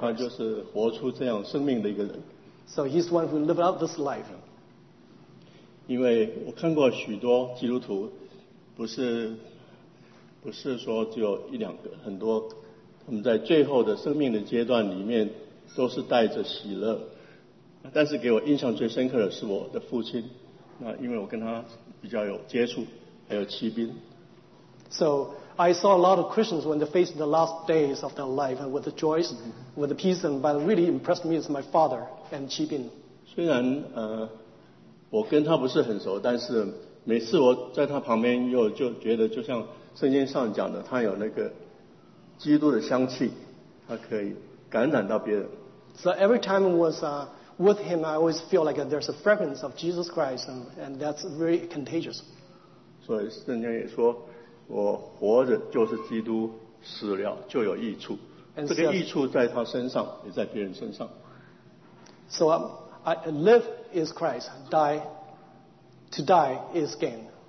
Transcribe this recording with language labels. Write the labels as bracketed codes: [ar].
[zh] 他就是活出这样生命的一个人。 [en] So he's one who lived out this life. [zh] 因为我看过许多基督徒，不是说只有一两个，很多。我们在最后的生命的阶段里面都是带着喜乐，但是给我印象最深刻的是我的父亲，那因为我跟他比较有接触，还有骑兵。 [en] So I saw a lot of Christians when they faced the last days of their life and with the joys, with the peace, and but really impressed me is my father and 骑兵。 [zh] 虽然我跟他不是很熟，但是每次我在他旁边又就觉得就像圣经上讲的，他有那个基督的香气，他可以感染到别人。 [en] So every time I was with him, I always feel like there's a fragrance of Jesus Christ, and that's very contagious. [zh] 所以圣经也说，我活着就是基督，死了就有益处。这个益处在他身上，也在别人身上。 [en] So I live is Christ, die to die is gain.